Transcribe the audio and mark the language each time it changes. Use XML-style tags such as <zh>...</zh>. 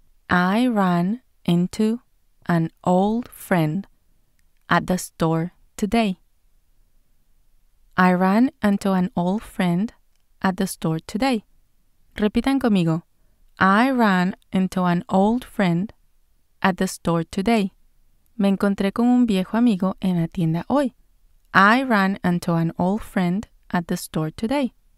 <en>I ran into an old friend at the store today. I ran into an old friend at the store today.</en> <es>Repitan conmigo.</es> <en>I ran into an old friend at the store today.</en> <es>Me encontré con un viejo amigo en la tienda hoy.</es> <en>I ran into an old friend at the store today.</en>